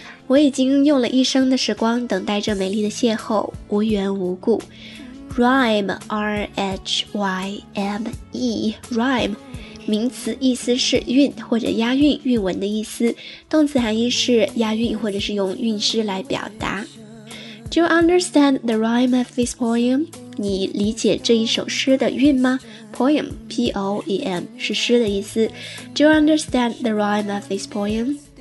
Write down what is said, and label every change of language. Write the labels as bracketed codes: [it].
[zh] 我已经用了一生的时光等待着美丽的邂逅，无缘无故。 Rhyme, R-H-Y-M-E, rhyme, 名词意思是韵或者押韵，韵文的意思。动词含义是押韵或者是用韵诗来表达。 [en] Do you understand the rhyme of this poem? [zh] 你理解这一首诗的韵吗？ Poem, P-O-E-M, 是诗的意思。 [en] Do you understand the rhyme of this poem?